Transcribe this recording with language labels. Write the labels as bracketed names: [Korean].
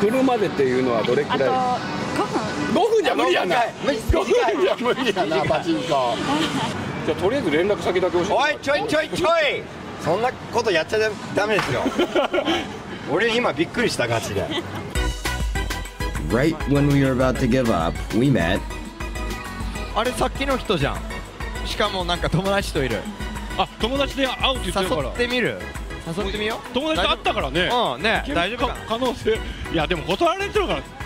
[Japanese] 車でっていうのはどれくらい？あと5分。 5分じゃ無理やない。 5分じゃ無理やな、パチンコ。じゃあとりあえず連絡先だけ教えて。おい、ちょいちょいちょい。そんなことやっちゃダメですよ。俺今びっくりした、ガチで。 [English] Right when we were about to give up, we met. [Japanese] あれさっきの人じゃん。しかもなんか友達といる。あ、友達で会うって言ってるから。誘ってみる。誘ってみよう。友達と会ったからね。うん、ね、大丈夫か。可能性。いやでも断られてるから。